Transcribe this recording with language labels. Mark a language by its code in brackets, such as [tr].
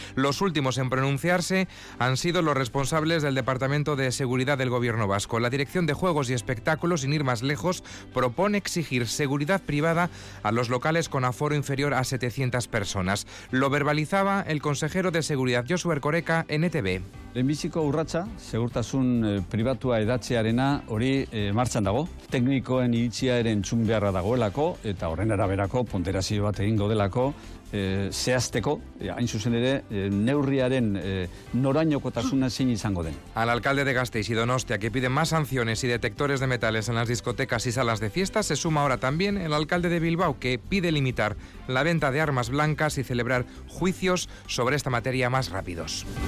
[es] Los últimos en pronunciarse han sido los responsables del Departamento de Seguridad del Gobierno Vasco. La Dirección de Juegos y Espectáculos, sin ir más lejos, propone exigir seguridad privada a los locales con aforo inferior a 700 personas. Lo verbalizaba el consejero de Seguridad, Josu Erkoreka, en ETV. [eu] Lehenbiziko urratsa, segurtasun pribatua edatzearena, hori martxan dago. Teknikoen iritzia ere entzun beharra dagoelako, eta horren araberako, ponderazio bat egingo delako, zehazteko, hain zuzen ere, neurriaren norainokotasuna zein izango den. [es] Al alcalde de Gasteiz y Donostia, que pide más sanciones y detectores de metales en las discotecas y salas de fiestas, se suma ahora también el alcalde de Bilbao, que pide limitar la venta de armas blancas y celebrar juicios sobre esta materia más rápidos.